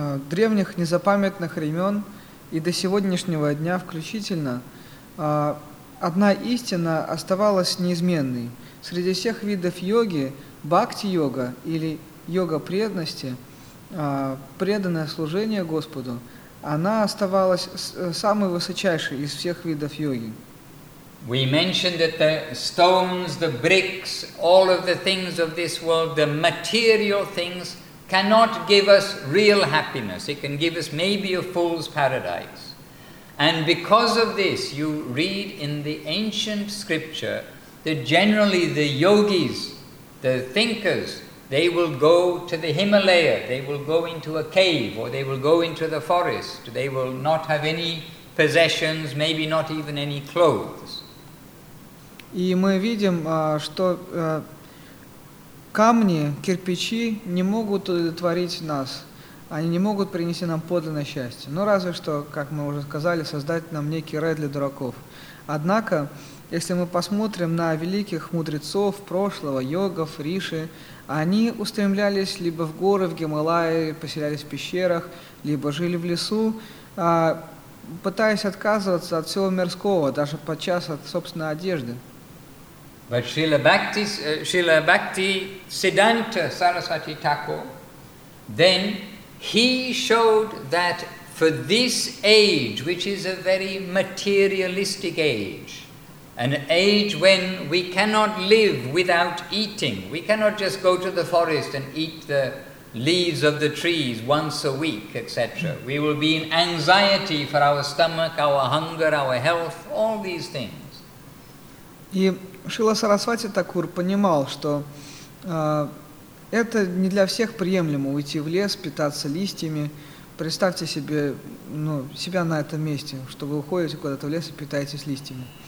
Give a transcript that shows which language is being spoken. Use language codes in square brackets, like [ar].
[ru] Древних незапамятных времен и до сегодняшнего дня включительно одна истина оставалась неизменной. Среди всех видов йоги бхакти-йога или йога преданности, преданное служение Господу, она оставалась самой высочайшей из всех видов йоги. [en] We mentioned that the stones, the bricks, all of the things of this world, the material things cannot give us real happiness. It can give us maybe a fool's paradise. And because of this, you read in the ancient scripture that generally the yogis, the thinkers, they will go to the Himalaya, they will go into a cave, or they will go into the forest. They will not have any possessions, maybe not even any clothes. [ru] И мы видим, что камни, кирпичи не могут удовлетворить нас, они не могут принести нам подлинное счастье. Ну, разве что, как мы уже сказали, создать нам некий рай для дураков. Однако, если мы посмотрим на великих мудрецов прошлого, йогов, риши, они устремлялись либо в горы, в Гималайи, поселялись в пещерах, либо жили в лесу, пытаясь отказываться от всего мирского, даже подчас от собственной одежды. [en] But Srila Bhakti Siddhanta Sarasvati Thakur, then he showed that for this age, which is a very materialistic age, an age when we cannot live without eating, we cannot just go to the forest and eat the leaves of the trees once a week, etc. We will be in anxiety for our stomach, our hunger, our health, all these things. [ru] Шрила Сарасвати Такур понимал, что это не для всех приемлемо уйти в лес, питаться листьями. Представьте себе, ну, себя на этом месте, что вы уходите куда-то в лес и питаетесь листьями.